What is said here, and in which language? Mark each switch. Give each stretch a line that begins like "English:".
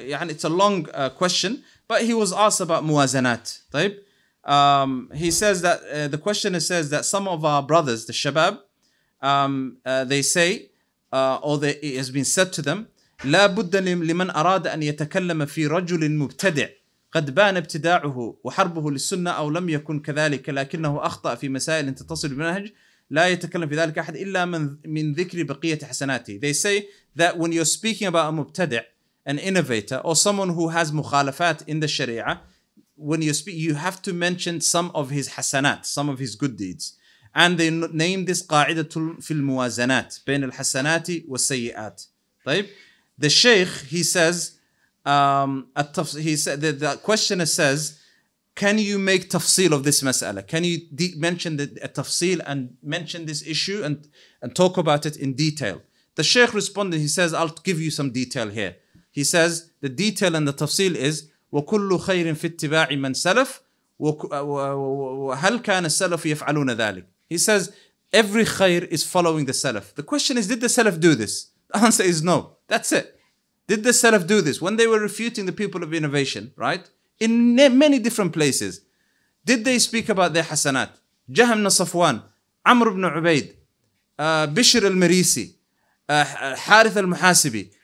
English: It's a long question, but he was asked about muwazanat.
Arabic: طيب,
English: he says that the questioner says that some of our brothers, the shabab, they say, or they, it has been said to them,
Arabic: لا بد لمن أراد أن يتكلم في رجل مبتدع قد بان ابتداعه وحربه للسنة أو لم يكن كذلك لكنه أخطأ في مسائل تتصل بالمنهج لا يتكلم في ذلك أحد إلا من ذكر بقية حسناته.
English: They say that when you're speaking about a مبتدع, an innovator, or someone who has مخالفات in the شريعة, when you speak, you have to mention some of his حسنات, some of his good deeds. And they name this
Arabic: قاعدة في الموازنات بين الحسنات والسيئات.
English: طيب, the Sheikh, he says, the questioner says, can you make tafsil of this mas'ala? Can you mention the tafsil and mention this issue and talk about it in detail? The Sheikh responded, he says, I'll give you some detail here. He He says the detail and the tafsil is
Arabic: وَكُلُّ خَيْرٍ فِي اتِّبَاعِ مَنْ سَلَفْ وَهَلْ كَانَ السَّلَفُ يَفْعَلُونَ ذَلِكَ.
English: He says every khayr is following the salaf. The question is, did the salaf do this? The answer is no. That's it. Did the salaf do this? When they were refuting the people of innovation, right? In many different places. Did they speak about their hasanat? Jahm Nasafwan, Amr ibn Ubaid, Bishr al-Marisi, Harith al-Muhasibi.